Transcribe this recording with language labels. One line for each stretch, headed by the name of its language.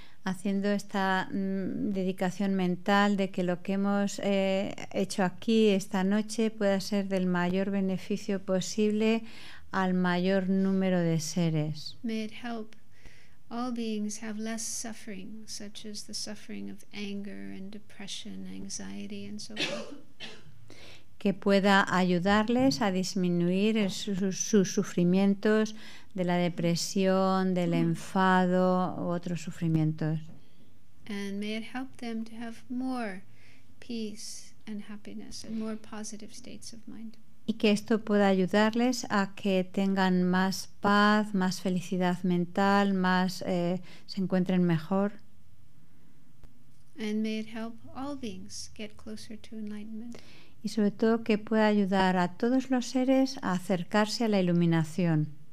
Spanish: Haciendo esta dedicación mental de que lo que hemos hecho aquí esta noche pueda ser del mayor beneficio posible al mayor número de seres.
English: May it help all beings have less suffering, such as the suffering of anger and depression, anxiety, and so forth.
Spanish: que pueda ayudarles a disminuir sus sufrimientos de la depresión, del enfado u otros sufrimientos.
English: And may it help them to have more peace and happiness and more positive states of mind.
Spanish: Y que esto pueda ayudarles a que tengan más paz, más felicidad mental, más se encuentren mejor.
English: And may it help all beings get closer to enlightenment.
Spanish: Y sobre todo que pueda ayudar a todos los seres a acercarse a la iluminación.